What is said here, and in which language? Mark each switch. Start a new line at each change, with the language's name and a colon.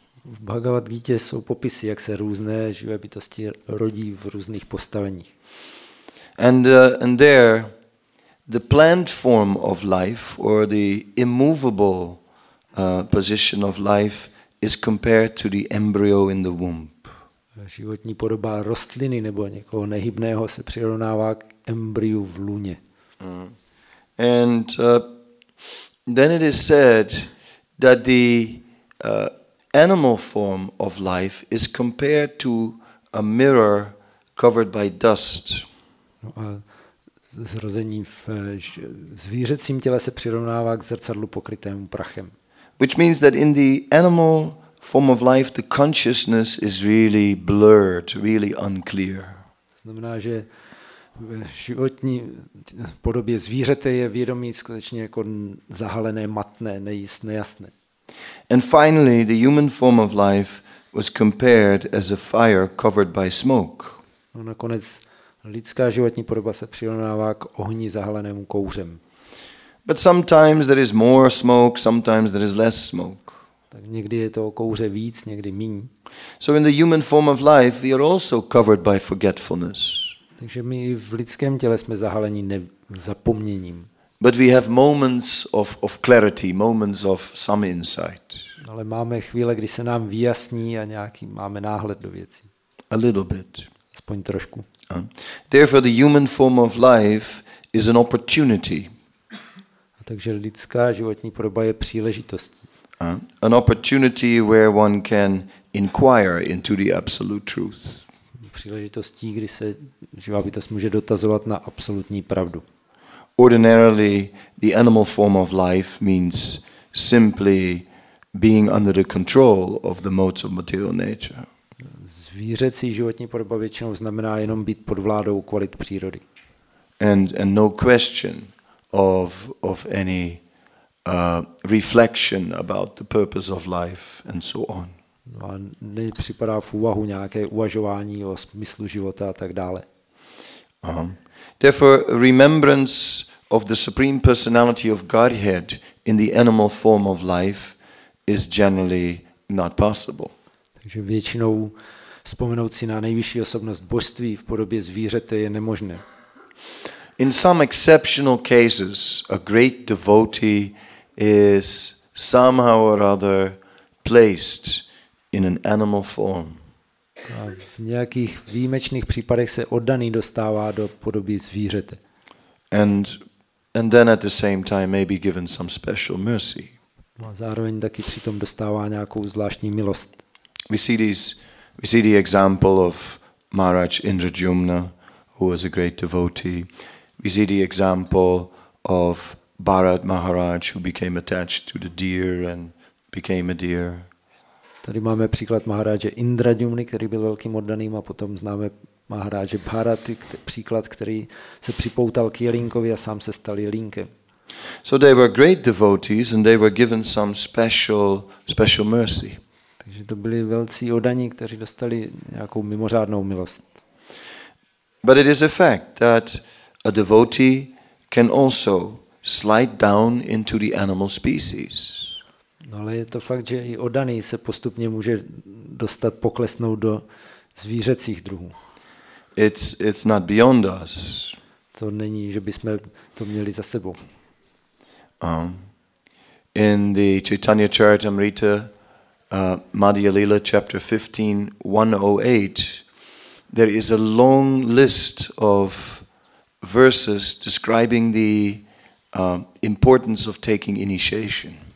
Czech: V Bhagavad Gita jsou popisy, jak se různé živé bytosti rodí v různých postaveních.
English: And there the plant form of life or the immovable position of life is compared to the embryo in the womb.
Czech: Životní podoba rostliny nebo někoho nehybného se přirovnává k embryu v lůně.
English: And then it is said that the animal form of life is compared to a mirror covered by dust.
Czech: No a zrození v zvířecím těle se přirovnává k zrcadlu pokrytému prachem.
English: Which means that in the animal form of life the consciousness is really blurred, really unclear.
Czech: To znamená, že v životní podobě zvířete je vědomí skutečně jako zahalené, matné, nejist, nejasné.
English: And finally, the human form of life was compared as a fire covered by smoke.
Czech: No nakonec lidská životní podoba se přirovnává k ohni zahalenému kouřem.
English: But sometimes there is more smoke, sometimes there is less smoke.
Czech: Tak někdy je to o kouře víc, někdy míň.
English: So in the human form of life, we are also covered by forgetfulness.
Czech: Takže my v lidském těle jsme zahaleni zapomněním.
English: But we have moments of clarity, moments of some insight.
Czech: Ale máme chvíle, kdy se nám vyjasní a nějaký máme náhled do věcí.
English: A little bit.
Czech: Aspoň trošku.
English: Therefore the human form of life is an opportunity.
Czech: A takže lidská životní podoba je příležitostí.
English: An opportunity where one can inquire into the absolute truth.
Czech: Příležitostí, kdy se živá bytost může dotazovat na absolutní pravdu.
English: Ordinarily, the animal form of life means simply being under the control of the modes of material nature.
Czech: Zvířecí životní podoba většinou znamená jenom být pod vládou kvalit přírody.
English: and no question of any reflection about the purpose of life and so on.
Czech: No a nepřipadá v úvahu nějaké uvažování o smyslu života a tak dále.
English: Therefore, remembrance of the Supreme Personality of Godhead in the animal form of life is generally not possible.
Czech: Takže většinou vzpomenout si na nejvyšší osobnost božství v podobě zvířete je nemožné.
English: In some exceptional cases, a great devotee is somehow or other placed in an animal form.
Czech: A v nějakých výjimečných případech se oddaný dostává do podoby zvířete.
English: And then at the same time may be given some special mercy.
Czech: A zároveň taky přitom dostává nějakou zvláštní milost.
English: We see the example of Maharaj Indrajumna, who was a great devotee. We see the example of Bharat Maharaj, who became attached to the deer and became a deer.
Czech: Tady máme příklad Maharaje Indrajumny, který byl velkým oddaným, a potom známe Maharaje Bharaty, příklad, který se připoutal k jelínkovi a sám se stal jelínkem.
English: So they were great devotees and they were given some special mercy.
Czech: Takže to byli velcí oddaní, kteří dostali nějakou mimořádnou milost.
English: But it is a fact that a devotee can also slide down into the animal species.
Czech: No, ale je to fakt, že i oddaný se postupně může dostat poklesnout do zvířecích druhů.
English: It's not beyond us.
Czech: To není, že bychom to měli za sebou.
English: In the Chaitanya Charitamrita, Madhya Lila, chapter 15:108, there is a long list of verses describing the importance of taking initiation.